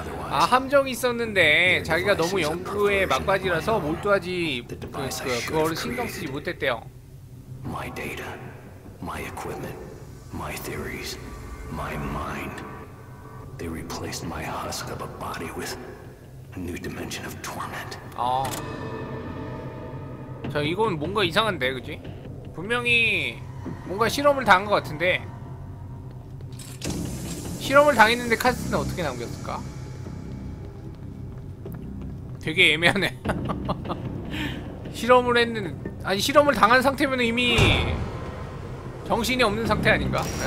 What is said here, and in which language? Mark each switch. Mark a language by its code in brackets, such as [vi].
[ko] 아, 함정이 있었는데 자기가 너무 연구에 막바지라서 몰두하지 그거를 신경 쓰지 못했대요. [en] My data, my equipment, my theories, my mind. They replaced my husk of a body with a new dimension of torment. 아. [ko] 자, 이건 뭔가 이상한데, 그치? 분명히 뭔가 실험을 당한 것 같은데. 실험을 당했는데 카세트는 어떻게 남겼을까? 되게 애매하네. 실험을 했는데, 아니 실험을 당한 상태면 이미 정신이 없는 상태 아닌가?